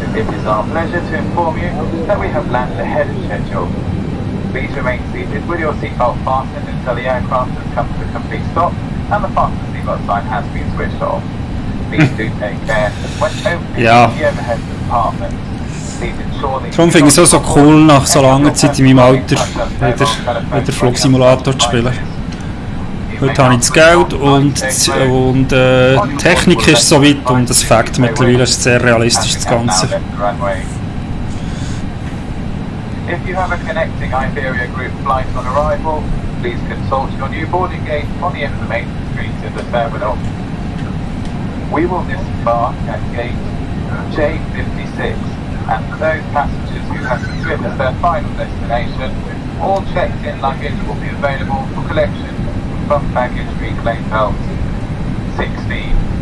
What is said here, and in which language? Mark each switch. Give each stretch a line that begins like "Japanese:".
English: It is our pleasure to inform you that we have landed ahead of schedule. Please remain seated with your seatbelt fastened until the aircraft has come to a complete stop and the fasten seatbelt sign has been switched off. Please do take care when opening the overhead compartment.
German: Darum finde ich es auch so cool, nach so langer Zeit in meinem Alter wieder Flugsimulator zu spielen. Heute habe ich das Geld und die Technik ist so weit und das Fakt mittlerweile ist sehr realistisch, das Ganze.
English: If you have a connecting Iberia Group flight on arrival, please consult your new boarding gate on the information screens in the terminal. We will disembark at gate J56. And for those passengers who have secured as their final destination, all checked-in luggage will be available for collection from baggage reclaim belt 16.